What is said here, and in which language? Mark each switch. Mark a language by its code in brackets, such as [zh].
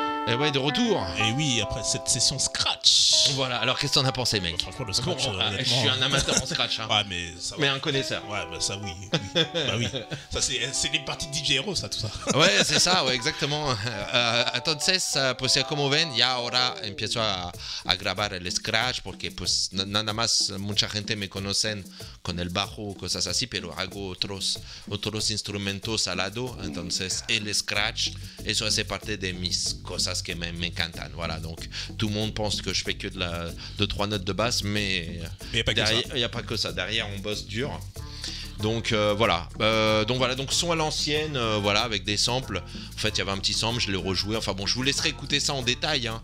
[fr] Et oui, après cette session scratch. Voilà, alors qu'est-ce que t'en as pensé, mec? Franchement, le scratch, bon, honnêtement... Je suis un amateur en scratch. Hein. Ouais, mais ça va. Mais un connaisseur. Ouais, bah ça, oui. Bah oui. Ça, c'est les parties de DJ Hero, ça, tout ça. Ouais, c'est ça, ouais, exactement. [es] Entonces, pues, como ven, ya ahora empiezo a grabar el scratch, porque, pues, nada más mucha gente me conocen con el bajo o cosas así, pero hago otros instrumentos al lado. Entonces, el scratch, eso hace parte de mis cosas que me encantan. [fr] Voilà, donc, tout le monde pense que je fais que de trois notes de basse, mais il n'y a pas que ça. Derrière, on bosse dur. Donc, voilà. Donc, son à l'ancienne, voilà, avec des samples. En fait, il y avait un petit sample, je l'ai rejoué. Enfin, bon, je vous laisserai écouter ça en détail. Hein.